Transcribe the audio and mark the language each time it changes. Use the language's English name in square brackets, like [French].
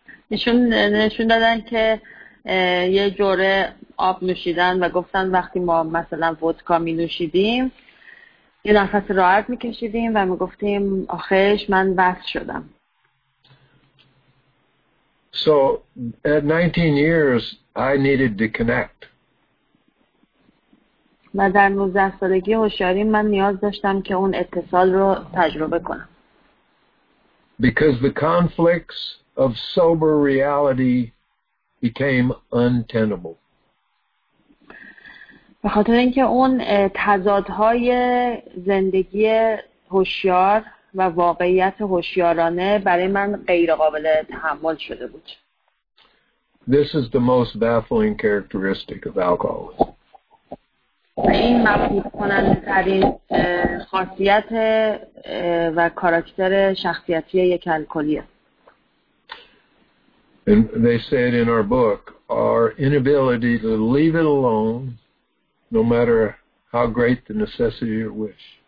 [Persian] نشون دادن که یه جوره آب نوشیدن و گفتن وقتی ما مثلا ودکا می نوشیدیم یه نفس راحت می کشیدیم و می گفتیم آخش من وصل شدم. [English] So at 19 years I needed to connect. [Persian] و در 19 سالگی هوشیاری من نیاز داشتم که اون اتصال رو تجربه کنم. [English] Because the conflicts of sober reality became untenable. [Persian] به خاطر اینکه اون تضادهای زندگی هوشیار و واقعیت هوشیارانه برای من غیر قابل تحمل شده بود. [English] This is the most baffling characteristic of alcoholism. [Persian] این مفهوم کننده ترین خاصیت و کاراکتر شخصیتی یک الکلیه. [English] And they said in our book, our inability to leave it alone, no matter how great the necessity or wish.